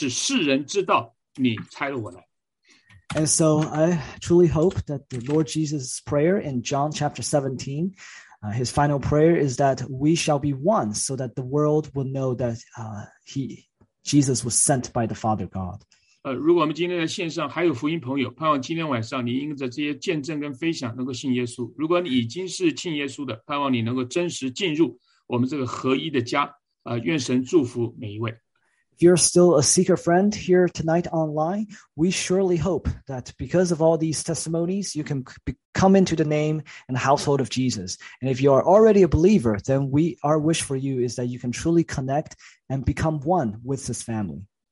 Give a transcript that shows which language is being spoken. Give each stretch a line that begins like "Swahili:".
Chinese: 盼望呢,在约翰福音第十七章主耶稣最后的祷告,你所赐给我的荣耀,我也赐给他们,使他们完完全全的合而为一,使世人知道你差了我来。
English: And so I truly hope that the Lord Jesus' prayer in John chapter 17, his final prayer is that we shall be one so that the world will know that Jesus was sent by the Father God.
Chinese: 如果我们今天在线上还有福音朋友,盼望今天晚上你因着这些见证跟分享能够信耶稣,如果你已经是信耶稣的,盼望你能够真实进入我们这个合一的家,愿神祝福每一位。
English: If you're still a seeker friend here tonight online, we surely hope that because of all these testimonies, you can come into the name and household of Jesus. And if you are already a believer, then our wish for you is that you can truly connect and become one with this family.